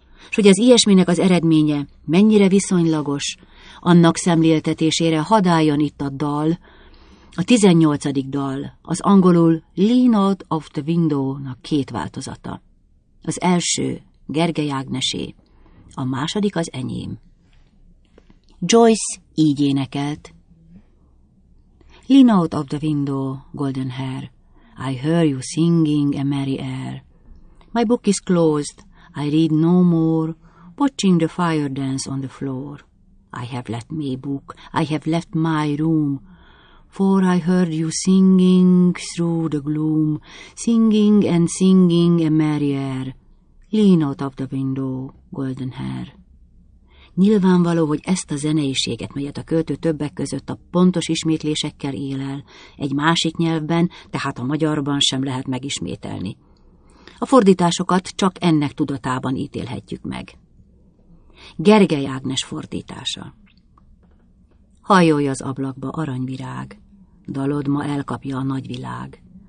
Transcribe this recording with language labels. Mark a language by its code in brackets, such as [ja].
[hu] S hogy az ilyesminek az eredménye mennyire viszonylagos, annak szemléltetésére hadd álljon itt a dal, a 18. dal, az angolul Lean Out of the Window-nak 2 változata. Az első Gergely Ágnesé, a második az enyém. Joyce így énekelt. [en] Lean out of the window, golden hair. I hear you singing a merry air. My book is closed. I read no more. Watching the fire dance on the floor. I have left my book. I have left my room. For I heard you singing through the gloom. Singing and singing a merry air. Lean out of the window, golden hair. [hu] Nyilvánvaló, hogy ezt a zeneiséget, melyet a költő többek között a pontos ismétlésekkel él el, egy másik nyelvben, tehát a magyarban sem lehet megismételni. A fordításokat csak ennek tudatában ítélhetjük meg. Gergely Ágnes fordítása. Hajolj az ablakba, aranyvirág, dalod ma elkapja a nagyvilág.